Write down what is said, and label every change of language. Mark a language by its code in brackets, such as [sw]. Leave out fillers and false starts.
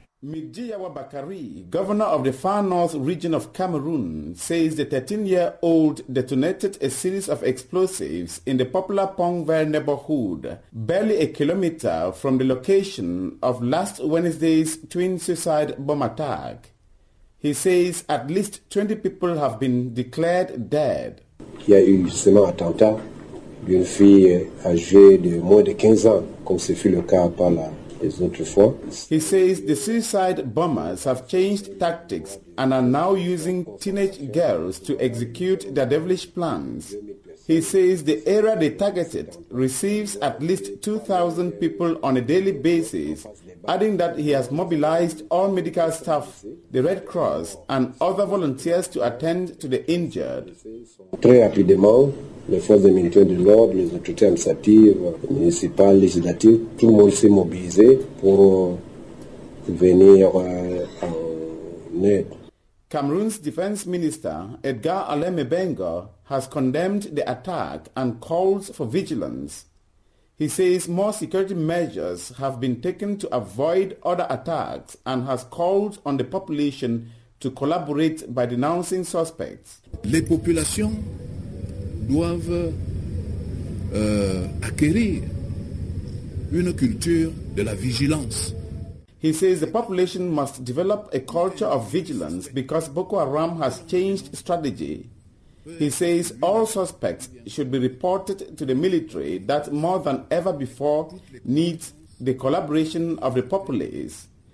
[en] Midia Wabakari, governor of the far north region of Cameroon, says the 13-year-old detonated a series of explosives in the popular Pongver neighborhood, barely a kilometer from the location of last Wednesday's twin suicide bomb attack. He says at least 20 people have been declared dead. [fr] Il y a eu justement attentat d'une fille âgée de moins de 15 ans, comme ce fut le cas par là. [en] He says the suicide bombers have changed tactics and are now using teenage girls to execute their devilish plans. He says the area they targeted receives at least 2,000 people on a daily basis, adding that he has mobilized all medical staff, the Red Cross, and other volunteers to attend to the injured. [fr] Très rapidement, les forces de militaires de l'ordre, les autorités administratives, municipales, législatives, tout le monde s'est mobilisé pour venir en aide. [en] Cameroon's defense minister, Edgar Aleme Bengo, has condemned the attack and calls for vigilance. He says more security measures have been taken to avoid other attacks and has called on the population to collaborate by denouncing suspects. [fr] Les populations doivent acquérir une culture de la vigilance. [en] He says the population must develop a culture of vigilance because Boko Haram has changed strategy. He says all suspects should be reported to the military that more than ever before needs the collaboration of the populace.